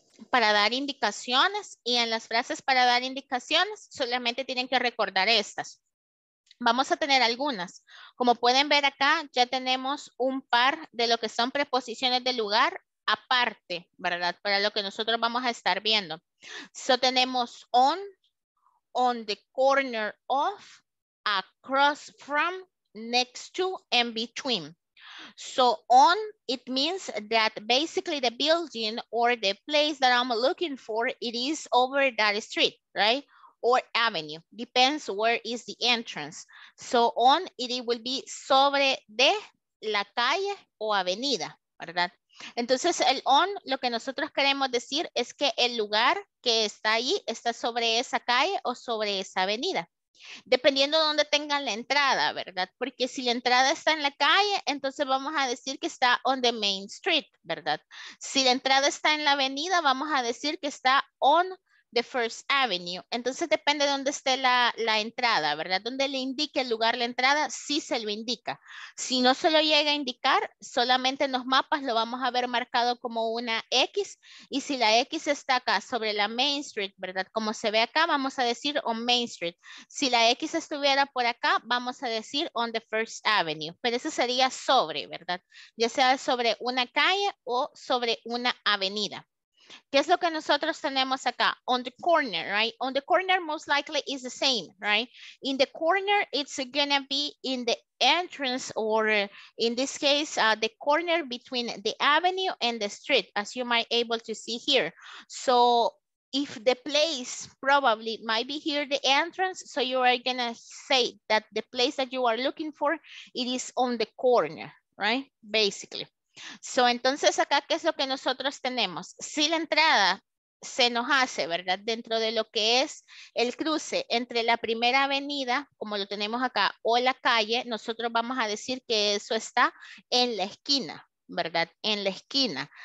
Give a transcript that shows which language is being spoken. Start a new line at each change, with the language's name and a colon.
Spanish: Para dar indicaciones, y en las frases para dar indicaciones solamente tienen que recordar estas. vamos a tener algunas. Como pueden ver acá, ya tenemos un par de lo que son preposiciones de lugar aparte, ¿verdad? Para lo que nosotros vamos a estar viendo.
English: So
Spanish: tenemos
English: on the corner of, across from, next to, and between. So on, it means that basically the building or the place that I'm looking for, it is over that street, right? Or avenue, depends where is the entrance. So on, it will be
Spanish: sobre de la calle o avenida, ¿verdad? Entonces el on, lo que nosotros queremos decir es que el lugar que está ahí está sobre esa calle o sobre esa avenida. Dependiendo de dónde tengan la entrada, ¿verdad? Porque si la entrada está en la calle, entonces vamos a decir que está
English: on the main street,
Spanish: ¿verdad? Si la entrada está en la avenida, vamos a decir que está
English: on the first avenue.
Spanish: Entonces depende de dónde esté la entrada, ¿verdad? Donde le indique el lugar la entrada, sí se lo indica. Si no se lo llega a indicar, solamente en los mapas lo vamos a ver marcado como una X. Y si la X está acá sobre la Main Street, ¿verdad? Como se ve acá, vamos a decir
English: on Main Street.
Spanish: Si la X estuviera por acá, vamos a decir
English: on the first avenue.
Spanish: Pero eso sería sobre, ¿verdad? Ya sea sobre una calle o sobre una avenida. ¿Qué es lo que nosotros tenemos acá?
English: On the corner, right? On the corner most likely is the same, right? In the corner, it's gonna be in the entrance or in this case, the corner between the avenue and the street, as you might able to see here. So if the place probably might be here, the entrance, so you are gonna say that the place that you are looking for, it is on the corner, right? Basically.
Spanish: So, entonces acá, ¿qué es lo que nosotros tenemos? Si la entrada se nos hace, ¿verdad? Dentro de lo que es el cruce entre la primera avenida, como lo tenemos acá, o la calle, nosotros vamos a decir que eso está en la esquina, ¿verdad? En la esquina.